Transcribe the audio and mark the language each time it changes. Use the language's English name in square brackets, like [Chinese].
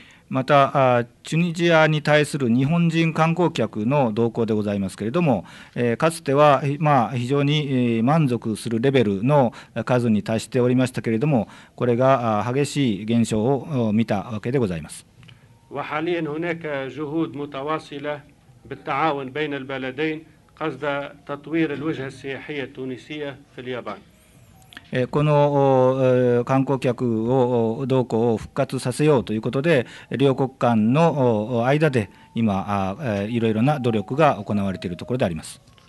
[Japanese] またチュニジアに対する日本人観光客の動向でございますけれども、かつては非常に満足するレベルの数に達しておりましたけれども、これが激しい減少を見たわけでございます。 [Arabic] وحاليا هناك جهود متواصلة بالتعاون بين البلدين قصد تطوير الوجهة السياحية التونسية في اليابان。 [Japanese] この観光客を動向を復活させようということで、両国間の間で今いろいろな努力が行われているところであります。